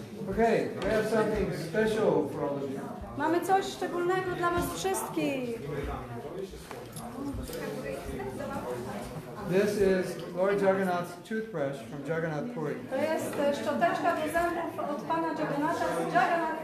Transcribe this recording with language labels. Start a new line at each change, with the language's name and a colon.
English: Okay, we have something special for all of you.
Polish: Mamy coś szczególnego dla was wszystkich.
English: This is Lord Jagannath's toothbrush from Jagannath Puri.
Polish: To jest szczoteczka do zębów od pana Jagannatha z Jagannath